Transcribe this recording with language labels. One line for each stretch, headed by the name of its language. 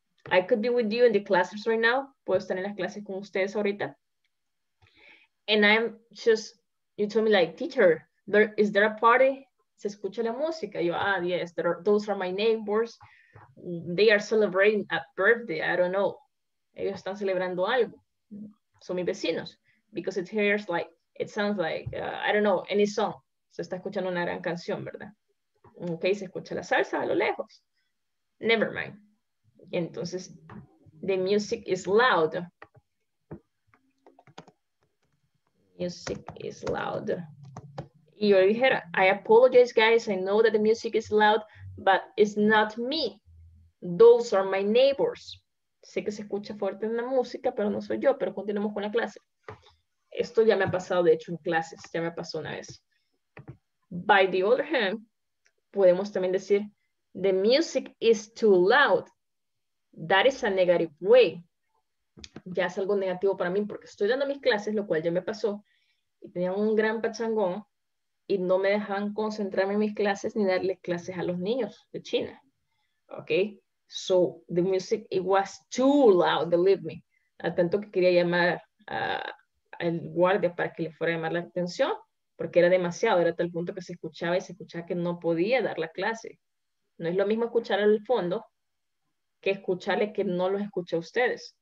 English: I could be with you in the classes right now.
Spanish: Puedo estar en las clases con ustedes ahorita.
English: And I'm just, you told me like, teacher, is there a party?
Spanish: Se escucha la música. Yo, ah, yes, those are my neighbors.
English: They are celebrating a birthday. I don't know. Ellos están celebrando algo. Son mis vecinos. Because it hears like, it sounds like, I don't know, any song.
Spanish: Se está escuchando una gran canción, ¿verdad? Okay, se escucha la salsa a lo lejos.
English: Never mind. Entonces, the music is loud. Music is loud. Y yo dijera, I apologize, guys. I know that the music is loud, but it's not me. Those are my neighbors.
Spanish: Sé que se escucha fuerte en la música, pero no soy yo. Pero continuamos con la clase. Esto ya me ha pasado, de hecho, en clases. Ya me pasó una vez. By the other hand, podemos también decir, the music is too loud. That is a negative way. Ya es algo negativo para mí porque estoy dando mis clases, lo cual ya me pasó. Y tenía un gran pachangón y no me dejaban concentrarme en mis clases ni darles clases a los niños de China. Ok.
English: So the music, it was too loud, believe me.
Spanish: A tanto que quería llamar al guardia para que le fuera a llamar la atención porque era demasiado. Era tal punto que se escuchaba y se escuchaba que no podía dar la clase. No es lo mismo escuchar al fondo que escucharle que no los escucha a ustedes.